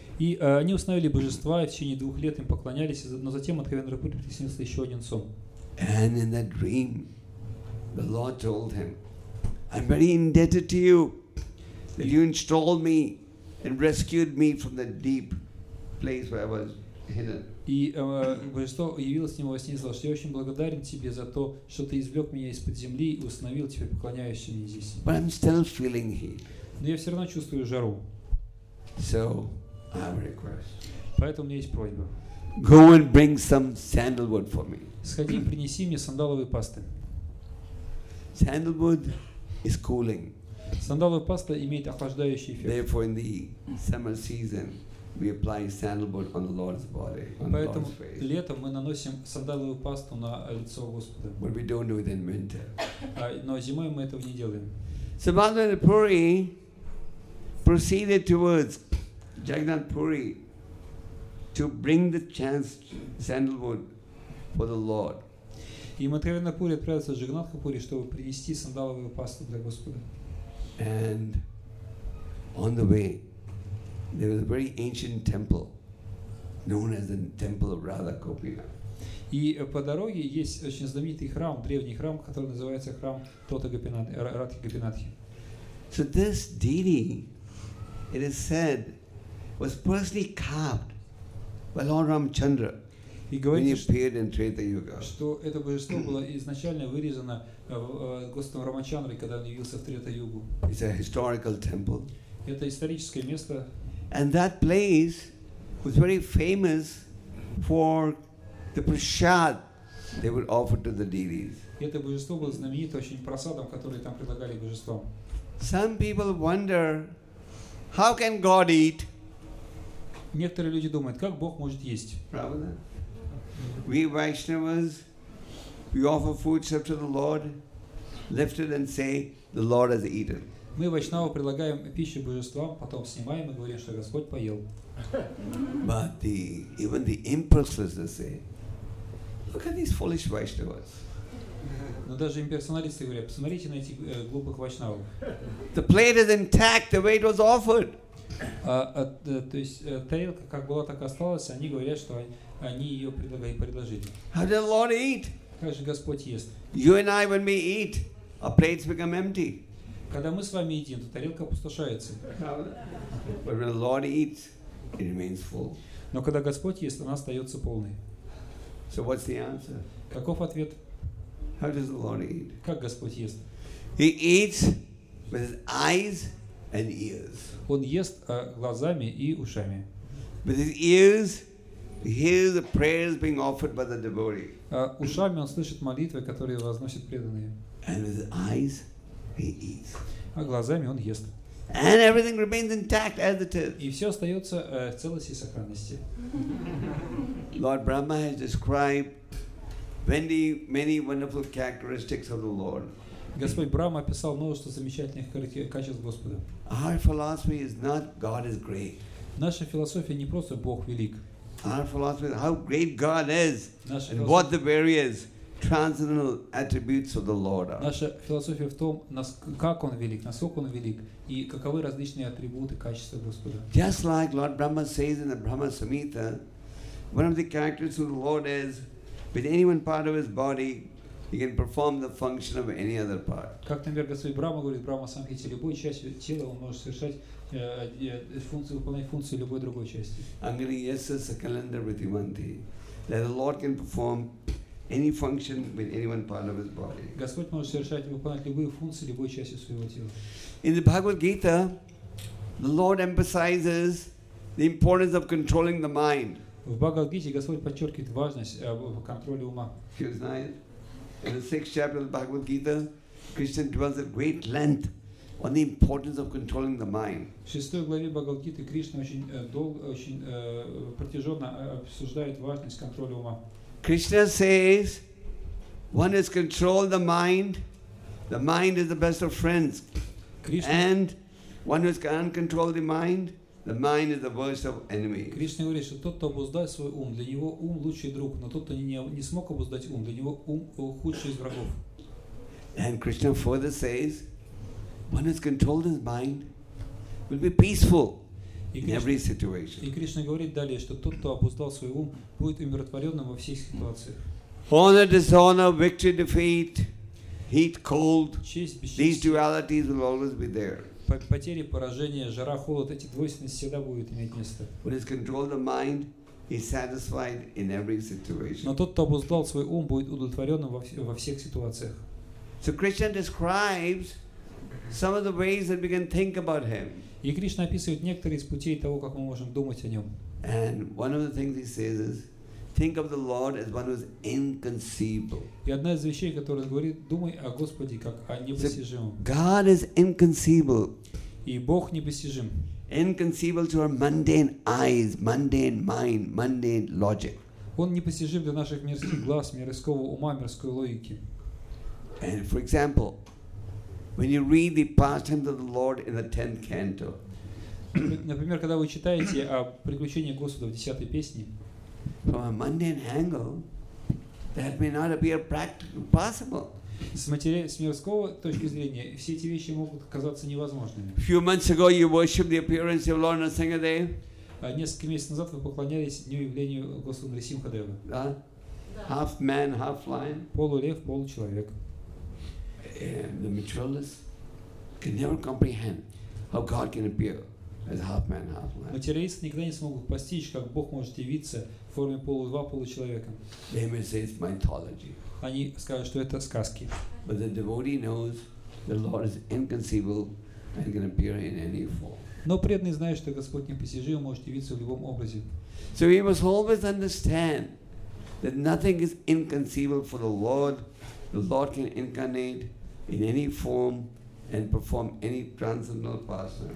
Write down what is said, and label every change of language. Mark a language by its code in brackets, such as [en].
[ru] И они установили божества, и в течение 2 лет им поклонялись, но затем Мадхавендра Пури приснился еще один сон. [en] And in that dream, the Lord told him, I'm very indebted to you that you installed me and rescued me from the deep place where I was hidden. [ru] И божество явилось с ним во сне и сказал, что я очень благодарен тебе за то, что ты извлек меня из-под земли и установил тебя поклоняющимися здесь. [en] But I'm still feeling heat. [ru] Но я все равно чувствую жару. [en] So, I have a request. [ru] Поэтому у меня есть просьба. [en] Go and bring some sandalwood for me. [ru] Сходи, принеси мне сандаловые пасты. [en] Sandalwood is cooling. [ru] Сандаловая паста имеет охлаждающий эффект. [en] Therefore, in the summer season, we apply sandalwood on the Lord's body, on the Lord's face. [ru] Летом мы наносим сандаловую пасту на лицо Господа. [en] But we don't do it in winter. [ru] Но зимой мы этого не делаем. [en] So Madhavendra Puri proceeded towards Jagannath Puri to bring the chanced sandalwood for the Lord. [ru] И Мадхавендра Пури отправился в Джагнатха Пури, чтобы принести сандаловую пасту для Господа. [en] And on the way, there was a very ancient temple known as the Temple of Radha Gopinath. [ru] И по дороге есть очень знаменитый храм, древний храм, который называется храм Тота Гопинатхи, Радхи Гопинатхи. [en] So this deity, it is said, was personally carved by Lord Ramchandra when he appeared in Treta Yuga. [ru] Что это божество было изначально вырезано Господом Рамачандрой, когда он явился в Трета Югу. [en] It's a historical temple. [ru] Это историческое место. [en] And that place was very famous for the prasad they would offer to the deities. [ru] Это божество было знаменито очень просадом, который там предлагали божествам. [en] Some people wonder, how can God eat? [ru] Некоторые люди думают, как Бог может есть? Правда? [en] We Vaishnavas, we offer food to the Lord, lift it and say, the Lord has eaten. [ru] Мы Вайшнавы предлагаем пищу божествам, потом снимаем и говорим, что Господь поел. [en] But the even the impersonalists say, look at these foolish Vaishnavas. [ru] Но даже имперсоналисты говорят, посмотрите на этих глупых Вайшнавы. [en] The plate is intact the way it was offered. [ru] То есть тарелка как была, так осталась. Они говорят, что они ее предлагали предложить. [en] How does the Lord eat? [ru] Как же Господь ест? [en] You and I, when we eat, our plates become empty. [ru] Когда мы с вами едим, то тарелка опустошается. [en] But when the Lord eats, it remains full. [ru] Но когда Господь ест, она остается полной. [en] So what's the answer? [ru] Каков ответ? [en] How does the Lord eat? [ru] Как Господь ест? [en] He eats with his eyes and ears. [ru] Он ест глазами и ушами. [en] With his ears, he hears the prayers being offered by the devotee. [ru] Ушами он слышит молитвы, которые возносят преданные. [en] And with his eyes, he eats. [ru] А глазами он ест. [en] And everything remains intact as it is. [ru] И все остается в целости и сохранности. [en] Lord Brahma has described many, many wonderful characteristics of the Lord. [ru] Господь Брахма описал множество замечательных качеств Господа. [en] Our philosophy is not God is great. [ru] Наша философия не просто Бог велик. [en] Our philosophy is how great God is and what the various transcendental attributes of the Lord are. [ru] Наша философия в том, как Он велик, насколько Он велик, и каковы различные атрибуты, качества Господа. [en] Just like Lord Brahma says in the Brahma Samhita, one of the characteristics of the Lord is with any one part of His body, He can perform the function of any other part. [ru] Как например, Господь Брахма говорит, Брахма Самхите, любой частью тела Он может совершать функцию, выполнять функцию любой другой части. [sa] Angri yasya sakalanda vritimanti, [en] that the Lord can perform any function with any one part of His body. [ru] Господь может совершать и выполнять любые функции любой части своего тела. [en] In the Bhagavad Gita, the Lord emphasizes the importance of controlling the mind. [ru] В Бхагавад-гите Господь подчеркивает важность контроля ума. [en] You know, in the sixth chapter of the Bhagavad Gita, Krishna dwells at great length on the importance of controlling the mind. [ru] В шестой главе Бхагавад-гиты Кришна очень протяженно обсуждает важность контроля ума. [en] Krishna says, one has controlled the mind is the best of friends. And one who can control the mind is the worst of enemy. [ru] Кришна говорит, что тот, кто обуздал свой ум, для него ум лучший друг, но тот, кто не смог обуздать ум, для него ум худший из врагов. [en] And Krishna further says, one who has controlled his mind will be peaceful in every situation. [ru] И Кришна говорит далее, что тот, кто обуздал свой ум, будет умиротворенным во всех ситуациях. [en] Honor, dishonor, victory, defeat, heat, cold, these dualities will always be there. [ru] Потери, поражения, жара, холод, эти двойственности всегда будут иметь место. [en] One has controlled the mind, he's satisfied in every situation. [ru] Но тот, кто обуздал свой ум, будет удовлетворенным во всех ситуациях. [en] So Krishna describes some of the ways that we can think about him. [ru] И Кришна описывает некоторые из путей того, как мы можем думать о нем. [en] And one of the things he says is, think of the Lord as one who is inconceivable. [ru] И одна из вещей, которая говорит, думай о Господе как о непостижимом. [en] God is inconceivable. [ru] И Бог непостижим. [en] Inconceivable to our mundane eyes, mundane mind, mundane logic. [ru] Он непостижим для наших мирских глаз, мирского ума, мирской логики. [en] And for example, when you read the pastimes of the Lord in the 10th canto. [ru] Например, когда вы читаете о приключениях Господа в 10-й песне. [en] From a mundane angle, that may not appear practically possible. [ru] С мирского точки зрения, все эти вещи могут казаться невозможными. [en] Few months ago, you worshipped the appearance of Lord Narasimhadeva. [ru] Несколько месяцев назад вы поклонялись дню явлению Господа Нарасимхадевы. [en] Да. Half man, half lion. [ru] Полулев, получеловек. [en] The materialist can never comprehend how God can appear as half man, half lion. [ru] Материалисты никогда не смогут постичь, как Бог может явиться в форме полу-два, получеловека. [en] They may say it's mythology. [ru] Они скажут, что это сказки. [en] But the devotee knows the Lord is inconceivable and can appear in any form. [ru] Но преданный знает, что Господь непостижим, может явиться в любом образе. [en] So we must always understand that nothing is inconceivable for the Lord. The Lord can incarnate in any form and perform any transcendental pastime.